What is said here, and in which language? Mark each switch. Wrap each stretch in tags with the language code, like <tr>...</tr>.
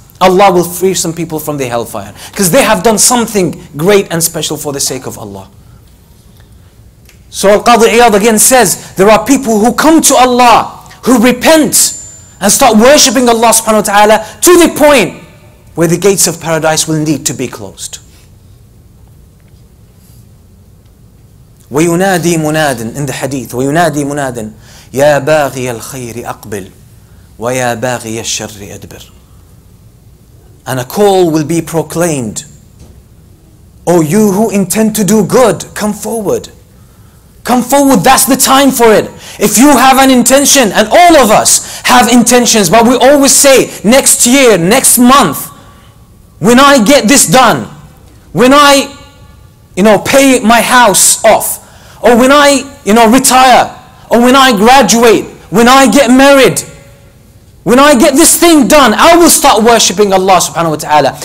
<en>Allah will free some people from the hellfire because they have done something great and special for the sake of Allah. So Al-Qadi Iyad again says, there are people who come to Allah, who repent and start worshipping Allah subhanahu wa ta'ala to the point where the gates of paradise will need to be closed.</en> <ar>وَيُنَادِي مُنَادٍ</ar> <en>in the hadith,</en> <ar>وَيُنَادِي مُنَادٍ يَا بَاغِيَ الْخَيْرِ أَقْبِلْ وَيَا بَاغِيَ الشَّرِّ أَدْبِرْ.</ar> <en>And a call will be proclaimed. O you who intend to do good, come forward. Come forward, that's the time for it. If you have an intention, and all of us have intentions, but we always say, next year, next month, when I get this done, when I, you know, pay my house off, or when I, you know, retire, or when I graduate, when I get married, when I get this thing done, I will start worshipping Allah subhanahu wa ta'ala.</en>